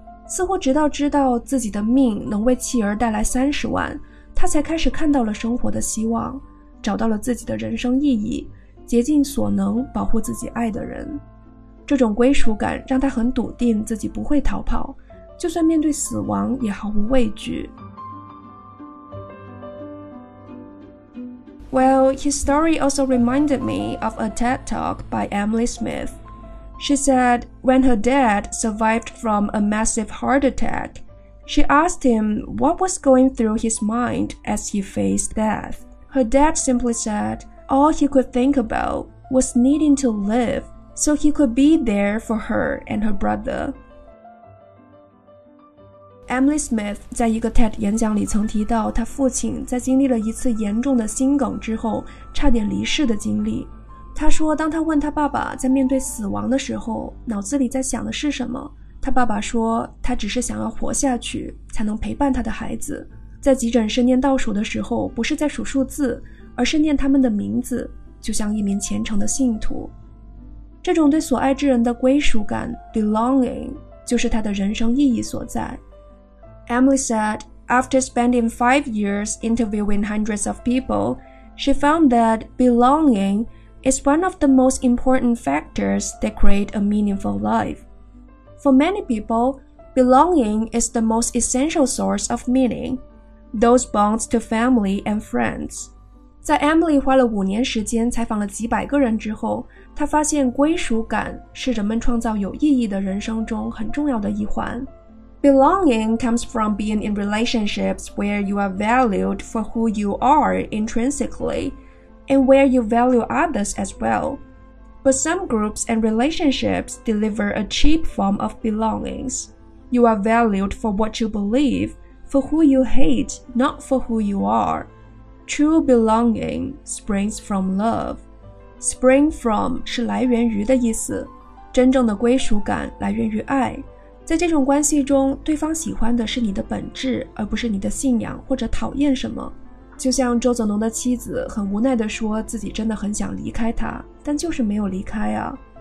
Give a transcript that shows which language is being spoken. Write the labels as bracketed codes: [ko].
[zh] 似乎直到知道自己的命能为妻儿带来30万，他才开始看到了生活的希望，找到了自己的人生意义，竭尽所能保护自己爱的人。这种归属感让他很笃定自己不会逃跑，就算面对死亡也毫无畏惧。 [en] Well, his story also reminded me of a TED talk by Emily Smith. She said, when her dad survived from a massive heart attack, she asked him what was going through his mind as he faced death. Her dad simply said, all he could think about was needing to live so he could be there for her and her brother. [zh] Emily Smith 在一个 TED 演讲里曾提到她父亲在经历了一次严重的心梗之后差点离世的经历。她说当她问她爸爸在面对死亡的时候脑子里在想的是什么，她爸爸说她只是想要活下去才能陪伴她的孩子。在急诊室念倒数的时候不是在数数字，而是念他们的名字，就像一名虔诚的信徒。这种对所爱之人的归属感 belonging 就是她的人生意义所在。 [en] Emily said, after spending 5 years interviewing hundreds of people, she found that belonging is one of the most important factors that create a meaningful life. For many people, belonging is the most essential source of meaning. those bonds to family and friends. [zh] 在 Emily 花了五年时间采访了几百个人之后，她发现归属感是人们创造有意义的人生中很重要的一环。 [en] Belonging comes from being in relationships where you are valued for who you are intrinsically, and where you value others as well. But some groups and relationships deliver a cheap form of belongings. You are valued for what you believe, for who you hate, not for who you are. True belonging springs from love. Spring from [zh] 是来源于的意思，真正的归属感来源于爱。在这种关系中，对方喜欢的是你的本质，而不是你的信仰或者讨厌什么。就像周泽农的妻子很无奈地说自己真的很想离开他，但就是没有离开啊。